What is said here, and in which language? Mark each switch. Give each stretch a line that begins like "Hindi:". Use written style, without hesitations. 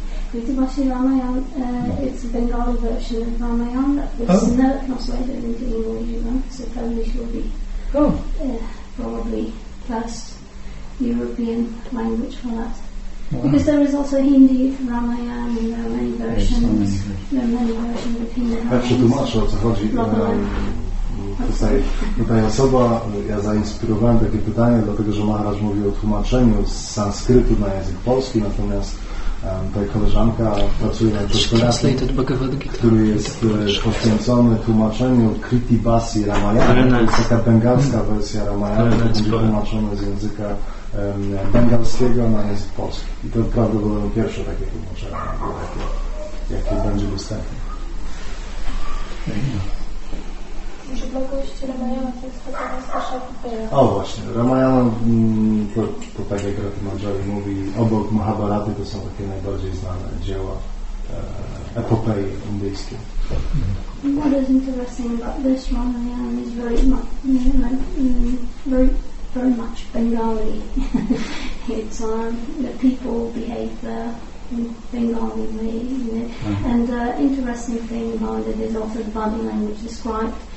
English: Kriti Bhakshi Ramayana, it's a Bengali version of Ramayana that was never translated into English, so probably should be probably first European language for that. Wow. Because there is also Hindi Ramayana and there are many versions. There are many versions of Hindi Ramayana.
Polish: Tutaj osoba, ja zainspirowałem takie pytanie, dlatego że Maharaj mówił o tłumaczeniu z sanskrytu na język polski, natomiast Ta koleżanka pracuje nad doktoratem, który jest poświęcony tłumaczeniu Kriti Basi Ramayana. To jest taka bengalska wersja Ramayana, będzie tłumaczona z języka bengalskiego na język polski. I to prawdopodobnie pierwsze takie tłumaczenie, jakie będzie dostępne. Może dla kogoś Ramayana to jest taka najstarsza opowieść? O właśnie, Ramayana to tak jak Rati Manjari mówi, obok Mahabharaty to są takie najbardziej znane dzieła epopei indyjskie.
English: What is interesting about this one, yeah, is very very much Bengali. It's the people behave there in Bengali way, and the interesting thing about it is also the body language described.